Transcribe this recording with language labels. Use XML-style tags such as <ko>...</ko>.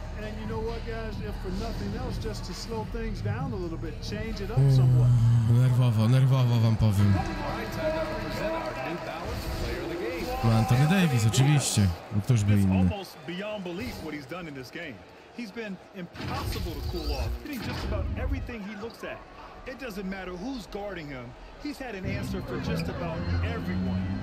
<en>And you know what, guys, if for nothing else, just to slow things down a little bit, change it up somewhat.</en> <pl>Nerwowo, nerwowo wam powiem. No Anthony Davis, oczywiście. Bo ktoś by inny.</pl> <en>Almost beyond belief what he's done in this game. He's been impossible to cool off, hitting just about everything he looks at. It doesn't matter who's guarding him. He's had an answer for just about everyone.</en>